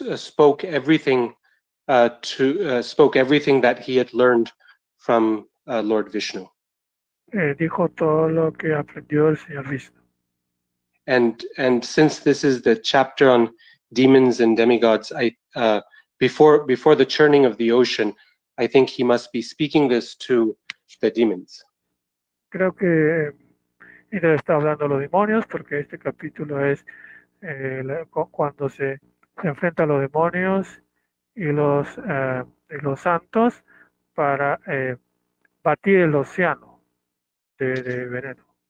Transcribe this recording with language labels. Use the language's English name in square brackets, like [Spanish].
[English] Spoke everything that he had learned from Lord Vishnu. [Spanish] Dijo todo lo que aprendió el señor Vishnu. [English] And since this is the chapter on demons and demigods, before the churning of the ocean, I think he must be speaking this to the demons. [Spanish] Creo que Indra está hablando a los demonios porque este capítulo es cuando se enfrenta a los demonios y los santos para batir el océano de veneno.